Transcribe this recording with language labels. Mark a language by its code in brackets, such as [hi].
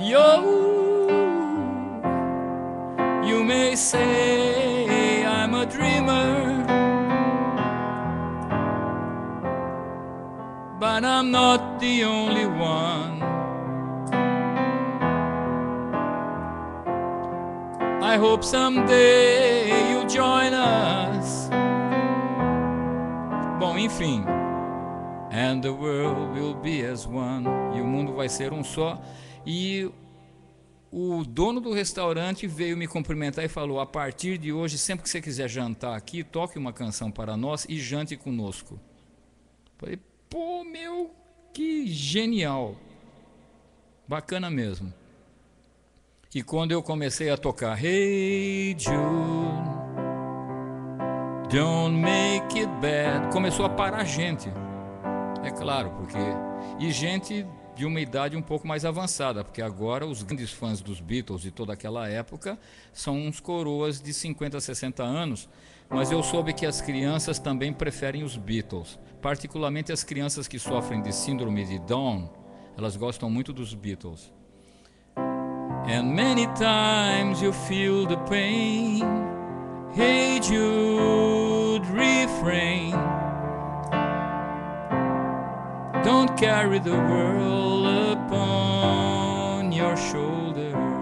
[en] Yo, you may say I'm a dreamer, but I'm not the only one. I hope someday you join us. [pt] Bom, enfim. [en] And the world will be as one. [pt] E o mundo vai ser um só. E o dono do restaurante veio me cumprimentar e falou: a partir de hoje, sempre que você quiser jantar aqui, toque uma canção para nós e jante conosco. Falei, pô, meu, que genial. Bacana mesmo. E quando eu comecei a tocar [en] Hey Jude, don't make it bad, [pt] começou a parar gente. É claro, porque... E gente de uma idade um pouco mais avançada, porque agora os grandes fãs dos Beatles de toda aquela época são uns coroas de 50, 60 anos, mas eu soube que as crianças também preferem os Beatles, particularmente as crianças que sofrem de síndrome de Down, elas gostam muito dos Beatles. [en] And many times you feel the pain, hate you'd refrain. Don't carry the world upon your shoulder.